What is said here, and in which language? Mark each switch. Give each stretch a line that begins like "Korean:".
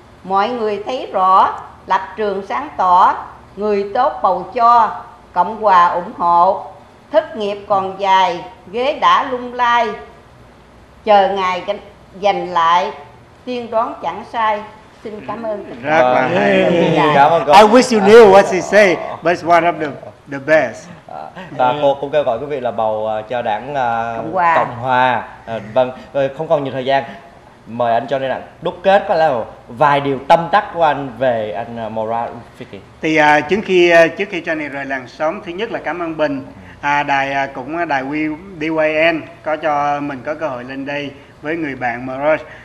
Vietnamese: Mọi người thấy rõ, lập trường sáng tỏ, người tốt bầu cho, Cộng Hòa ủng hộ. Thất nghiệp còn dài, ghế đã lung lay, chờ ngày giành lại, tiên đoán chẳng sai. Xin cảm ơn. Rất là hay.
English: I wish you knew what he said, but it's one of the best.
Vietnamese: Và cô cũng kêu gọi quý vị là bầu cho đảng Cộng Hòa. Vâng, không còn nhiều thời gian, mời anh cho nên là đúc kết có lẽ là vài điều tâm đắc của anh về anh Moral Fiki. Thì trước khi cho anh rời làng sống, thứ nhất là cảm ơn Bình, đài WBYN có cho mình có cơ hội lên đây với người bạn Moral.